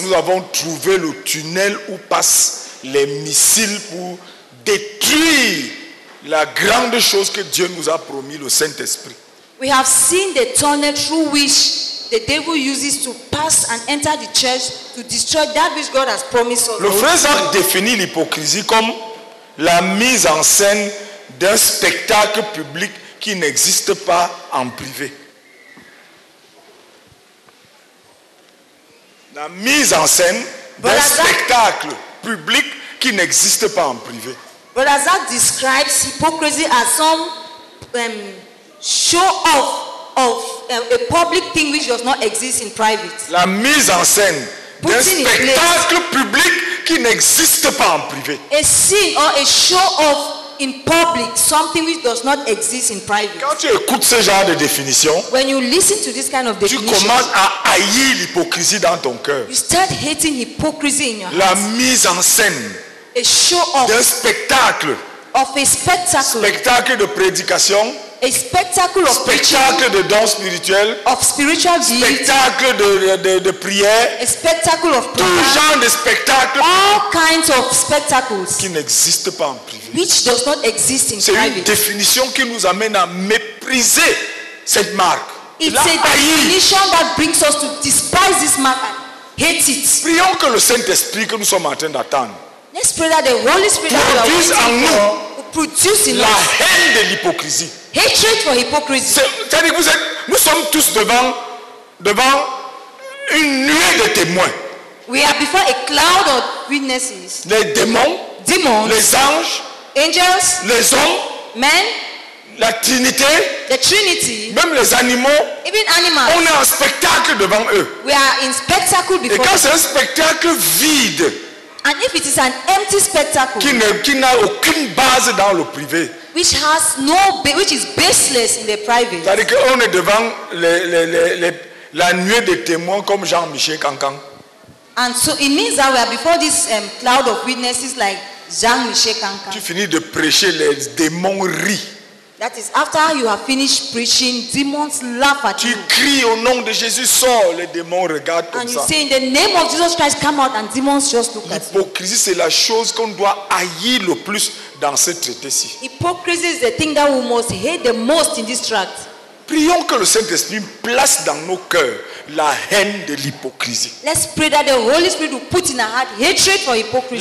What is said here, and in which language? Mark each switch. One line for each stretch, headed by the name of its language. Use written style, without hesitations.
French: Nous avons trouvé le tunnel où passent les missiles pour détruire la grande chose que Dieu nous a promis, le Saint-Esprit.
English: We have seen the tunnel through which the devil uses to pass and enter the church to destroy that which God has promised us.
French: Le frère a défini l'hypocrisie comme la mise en scène d'un spectacle public qui n'existe pas en privé. La mise en scène d'un spectacle public qui n'existe pas en privé.
English: But as that describes hypocrisy as some show off of a public thing which does not exist in private.
French: La mise en scène d'un spectacle public qui n'existe pas en privé.
English: A scene or a show off in public, something which does not exist in private.
French: Quand tu écoutes ce genre de définition,
English: when you listen to this kind of definition,
French: tu commences à haïr l'hypocrisie dans ton cœur.
English: You start hating hypocrisy in your
French: la
English: heart.
French: La mise en scène,
English: a show off,
French: d'un spectacle,
English: of a spectacle,
French: spectacle de prédication,
English: a spectacle of spectacle preaching,
French: de dons spirituels,
English: of spiritual gifts,
French: spectacle de prière,
English: a spectacle of prayer,
French: tout genre de spectacle,
English: all kinds of spectacles,
French: qui n'existent pas en privé,
English: which does not exist in
French: c'est
English: private.
French: C'est une définition qui nous amène à mépriser cette marque.
English: It's
French: la
English: a definition that brings us to despise this mark and hate it.
French: Prions que le Saint-Esprit que nous sommes en train d'attendre.
English: Let's pray that the Holy Spirit that we are waiting for will produce in
French: la
English: us
French: haine de l'hypocrisie.
English: Hatred for hypocrisy.
French: C'est-à-dire que vous êtes, nous sommes tous devant une nuée de témoins.
English: We are before a cloud of witnesses.
French: Les démons,
English: demons,
French: les anges,
English: angels,
French: les hommes,
English: men,
French: la Trinité,
English: the Trinity,
French: même les animaux,
English: even animals,
French: on est en spectacle devant eux.
English: We are in spectacle before
French: et quand c'est un spectacle vide,
English: and if it is an empty spectacle,
French: qui n'a aucune base dans le privé,
English: which has no which is baseless in the private.
French: C'est-à-dire qu'on est devant la nuée de témoins comme Jean-Michel Cancan.
English: And so it means that we are before this cloud of witnesses like Jean-Michel Cancan.
French: Tu finis de prêcher, les démons rient.
English: That is after you have finished preaching, demons laugh at
French: tu
English: you.
French: Tu cries au nom de Jésus, sors, les démons regardent comme
English: and
French: ça.
English: And you say in the name of Jesus Christ, come out, and demons just look at you.
French: L'hypocrisie, c'est la chose qu'on doit haïr le plus dans ce traité-ci.
English: Hypocrisy is the thing that we must hate the most in this tract.
French: Prions que le Saint-Esprit place dans nos cœurs la haine de l'hypocrisie.
English: Let's pray that the Holy Spirit will put in our heart hatred for hypocrisy.